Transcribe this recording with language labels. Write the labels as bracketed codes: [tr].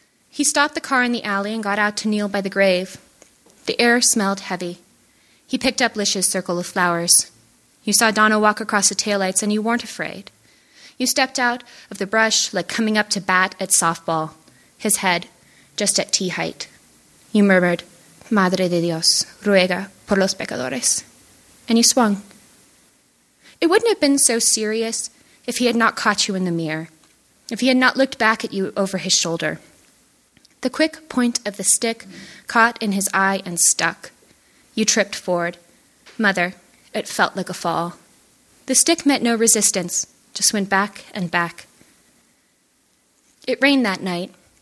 [en] He stopped the car in the alley and got out to kneel by the grave. The air smelled heavy. He picked up Lish's circle of flowers. You saw Donna walk across the taillights, and you weren't afraid. You stepped out of the brush like coming up to bat at softball, his head just at tee height. You murmured, [es] Madre de Dios, ruega por los pecadores. [en] And you swung. It wouldn't have been so serious if he had not caught you in the mirror, if he had not looked back at you over his shoulder. The quick point of the stick caught in his eye and stuck. You tripped forward. Mother, it felt like a fall. The stick met no resistance, just went back and back. It rained that night,